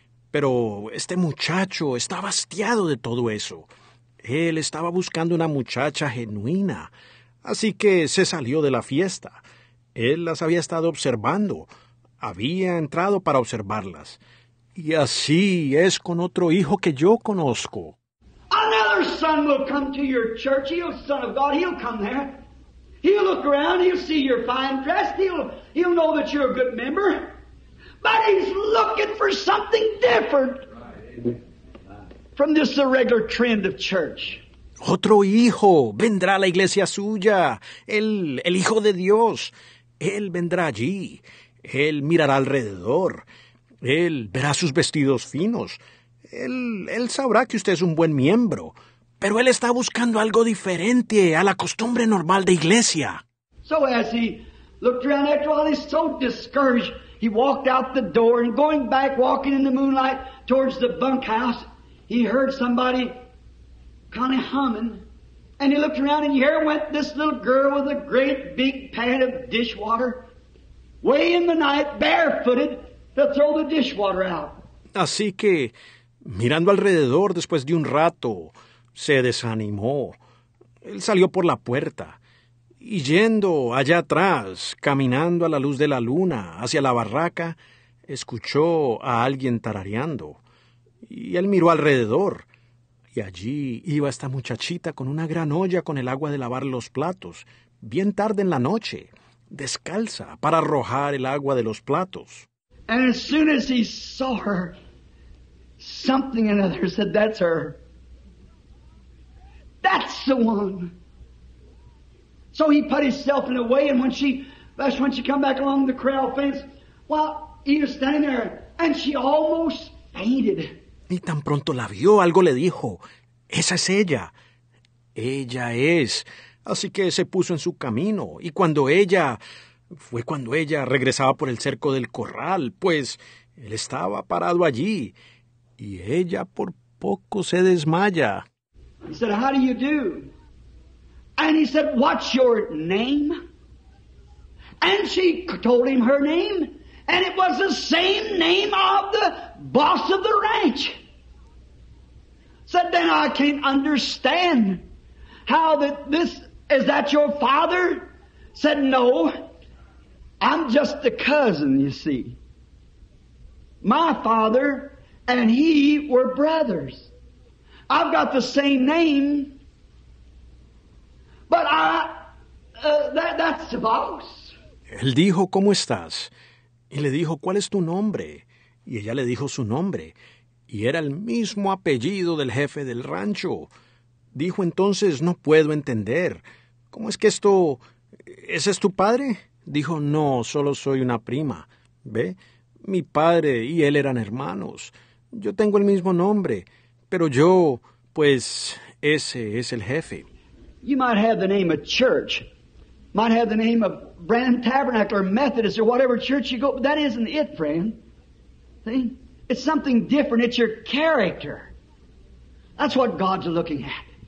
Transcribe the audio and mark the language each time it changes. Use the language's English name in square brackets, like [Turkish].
[Spanish] Pero este muchacho estaba hastiado de todo eso. Él estaba buscando una muchacha genuina, así que se salió de la fiesta. Él las había estado observando. Había entrado para observarlas. Y así es con otro hijo que yo conozco. [English] Another son will come to your church. He'll, son of God, he'll come there. He'll look around, he'll see your fine dress. He'll know that you're a good member. But he's looking for something different from just the regular trend of church. [Spanish] Otro hijo vendrá a la iglesia suya. El hijo de Dios. Él vendrá allí. Él mirará alrededor. Él verá sus vestidos finos. Él sabrá que usted es un buen miembro. Pero él está buscando algo diferente a la costumbre normal de iglesia. [English] So as he looked around after all, he's so discouraged, he walked out the door and going back, walking in the moonlight towards the bunkhouse, he heard somebody kind of humming. And he looked around, and here went this little girl with a great big pan of dishwater, way in the night, barefooted, to throw the dishwater out. [Spanish] Así que, mirando alrededor después de un rato, se desanimó. Él salió por la puerta, y yendo allá atrás, caminando a la luz de la luna hacia la barraca, escuchó a alguien tarareando, y él miró alrededor. Y allí iba esta muchachita con una gran olla con el agua de lavar los platos, bien tarde en la noche, descalza, para arrojar el agua de los platos. [English] And as soon as he saw her, something in her said, that's her. That's the one. So he put himself in the way, and when she come back along the corral fence, well, he was standing there, and she almost fainted. [Spanish] Y tan pronto la vio, algo le dijo, esa es ella, ella es. Así que se puso en su camino, y cuando ella regresaba por el cerco del corral, pues Él estaba parado allí y ella por poco se desmaya. [English] He said, "How do you do?" And he said, "What's your name?" And she told him her name, and it was the same name of the boss of the ranch. Said, "Then I can't understand how that this, is that your father?" Said, "No, I'm just a cousin, you see. My father and he were brothers. I've got the same name, but that's the boss." [Spanish] Él dijo, "¿Cómo estás?" Y le dijo, "¿Cuál es tu nombre?" Y ella le dijo su nombre. Y era el mismo apellido del jefe del rancho. Dijo entonces, "No puedo entender. ¿Cómo es que esto... ¿Ese es tu padre?" Dijo, "No, solo soy una prima. ¿Ve? Mi padre y él eran hermanos. Yo tengo el mismo nombre. Pero yo, pues, ese es el jefe." [English] You might have the name of church. Might have the name of Branham Tabernacle or Methodist or whatever church you go. But that isn't it, friend. See? It's something different. It's your character. That's what God's looking at.